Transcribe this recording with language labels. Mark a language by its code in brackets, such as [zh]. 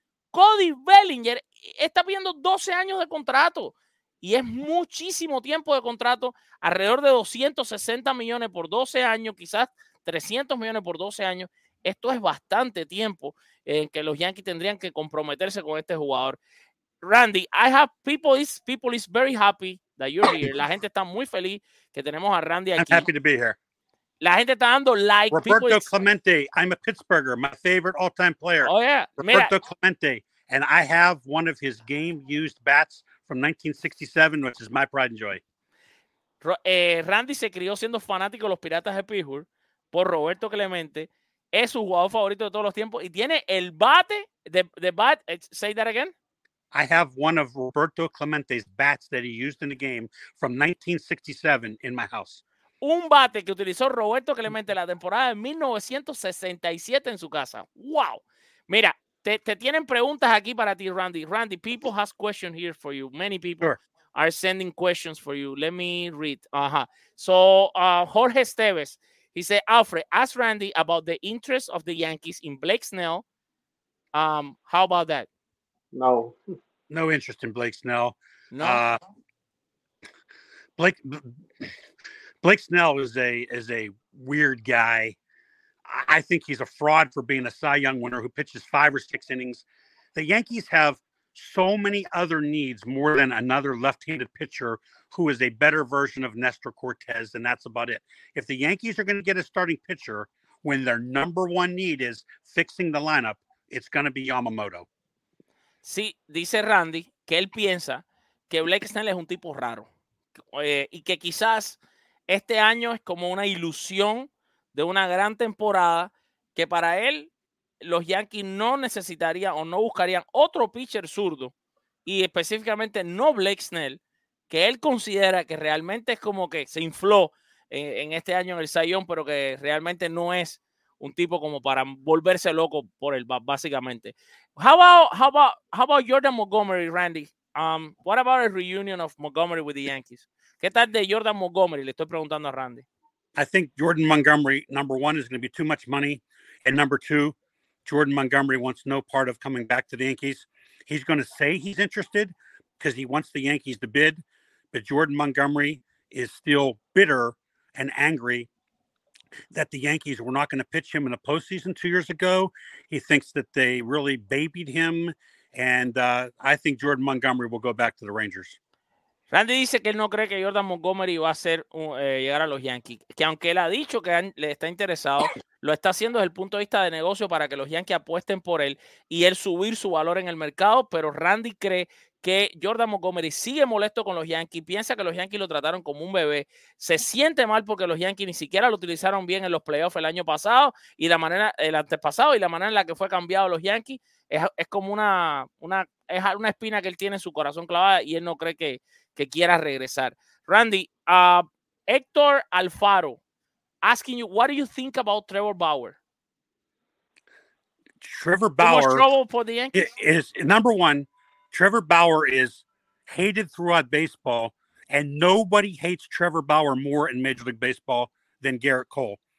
[es] Cody Bellinger está pidiendo 12 años de contrato. Y es muchísimo tiempo de contrato, alrededor de 260 millones por 12 años, quizás 300 millones por 12 años. Esto es bastante tiempo en que los Yankees tendrían que comprometerse con este jugador. [en] Randy, I have people is very happy that you're here. [es] La gente está muy feliz que tenemos a Randy aquí. [en] I'm happy to be here. [es] La gente está dando like. [en] Roberto Clemente, I'm a Pittsburgher, my favorite all-time player. Oh, yeah. Roberto Clemente, and I have one of his game-used bats from 1967, which is my pride and joy. [es] Randy se crió siendo fanático de los Piratas de Pittsburgh por Roberto Clemente. Es su jugador favorito de todos los tiempos. Y tiene el bate, [en] the bat, say that again. I have one of Roberto Clemente's bats that he used in the game from 1967 in my house. [es] Un bate que utilizó Roberto Clemente la temporada de 1967 en su casa. Wow. Mira, te tienen preguntas aquí para ti, Randy. [en] Randy, people has questions here for you. Many people are sending questions for you. Let me read. Jorge Esteves, he said, Alfred, ask Randy about the interest of the Yankees in Blake Snell. How about that? No interest in Blake Snell. No. Blake Snell is a weird guy. I think he's a fraud for being a Cy Young winner who pitches five or six innings. The Yankees have so many other needs more than another left-handed pitcher who is a better version of Nestor Cortez, and that's about it. If the Yankees are going to get a starting pitcher when their number one need is fixing the lineup, it's going to be Yamamoto. [es] Sí, dice Randy que él piensa que Blake Snell es un tipo raro y que quizás este año es como una ilusión de una gran temporada que para él los Yankees no necesitarían o no buscarían otro pitcher zurdo y específicamente no Blake Snell, que él considera que realmente es como que se infló en este año en el Cy Young, pero que realmente no es un tipo como para volverse loco por él, básicamente. [en] How about Jordan Montgomery, Randy? What about a reunion of Montgomery with the Yankees? [es] ¿Qué tal de Jordan Montgomery? Le estoy preguntando a Randy. [en] I think Jordan Montgomery, number one, is going to be too much money. And number two, Jordan Montgomery wants no part of coming back to the Yankees. He's going to say he's interested because he wants the Yankees to bid. But Jordan Montgomery is still bitter and angry that the Yankees were not going to pitch him in a postseason 2 years ago. He thinks that they really babied him. And I think Jordan Montgomery will go back to the Rangers. [es] Randy dice que él no cree que Jordan Montgomery va a ser llegar a los Yankees. Que aunque él ha dicho que le está interesado, lo está haciendo desde el punto de vista de negocio para que los Yankees apuesten por él y él subir su valor en el mercado. Pero Randy cree que Jordan Montgomery sigue molesto con los Yankees, piensa que los Yankees lo trataron como un bebé, se siente mal porque los Yankees ni siquiera lo utilizaron bien en los playoffs el año pasado y la manera, el antepasado y la manera en la que fue cambiado los Yankees es como una espina que él tiene en su corazón clavada y él no cree que quiera regresar. [en] Randy, Héctor Alfaro asking you, what do you think about Trevor Bauer? Trevor Bauer, too much trouble for the Yankees? Is number one, Trevor Bauer is hated throughout baseball, and nobody hates Trevor Bauer more in Major League Baseball than Gerrit Cole.